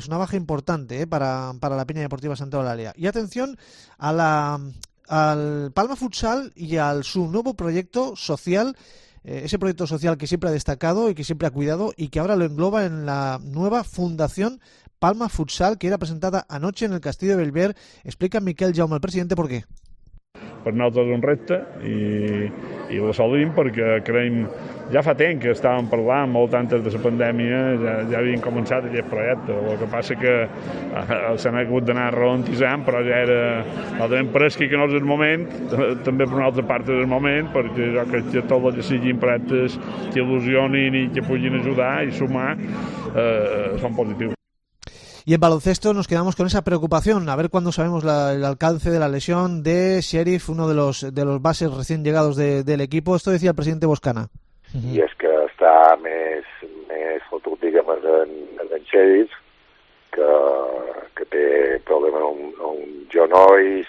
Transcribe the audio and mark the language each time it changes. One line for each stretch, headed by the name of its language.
Spanish: Es una baja importante para la peña deportiva Santa Eulalia. Y atención al Palma Futsal y al su nuevo proyecto social, ese proyecto social que siempre ha destacado y que siempre ha cuidado y que ahora lo engloba en la nueva Fundación Palma Futsal, que era presentada anoche en el Castillo de Bellver. Explica Miquel Jaume, el presidente, por qué.
Catalan: Per nosaltres un repte i ho assolim perquè creiem, ja fa temps que estàvem parlant, molt antes de la pandèmia ja havíem començat aquest projecte, el que passa que s'han hagut d'anar ralentissant, però ja era, nosaltres presqui que no és el moment, també per una altra part és el moment, perquè jo crec que tot el que siguin projectes que il·lusionin i que puguin ajudar i sumar són positius.
Spanish: Y en baloncesto nos quedamos con esa preocupación, a ver cuándo sabemos el alcance de la lesión de Sheriff, uno de los bases recién llegados del equipo. Esto decía el presidente Boscana. Uh-huh. Y es que está más fotut, digamos, en Sheriff, que tiene problema en genoll.